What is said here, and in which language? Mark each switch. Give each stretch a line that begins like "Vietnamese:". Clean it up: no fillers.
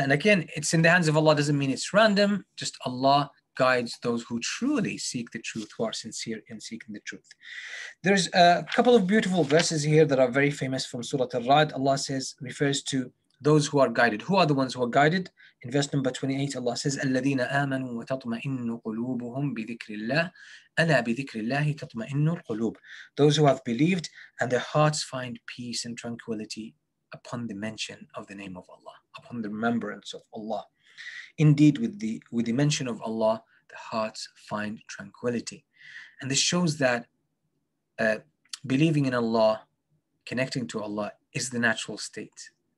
English: And again, it's in the hands of Allah doesn't mean it's random. Just Allah guides those who truly seek the truth, who are sincere in seeking the truth. There's a couple of beautiful verses here that are very famous from Surah Al-Ra'd. Allah says, refers to those who are guided. Who are the ones who are guided? In verse number 28, Allah says,
Arabic: الَّذِينَ آمَنُوا وَتَطْمَئِنُّ قُلُوبُهُمْ بِذِكْرِ اللَّهِ أَلَا بِذِكْرِ اللَّهِ تَطْمَئِنُّ الْقُلُوبُ.
English: Those who have believed and their hearts find peace and tranquility upon the mention of the name of Allah, upon the remembrance of Allah. Indeed, with the mention of Allah, the hearts find tranquility. And this shows that believing in Allah, connecting to Allah, is the natural state.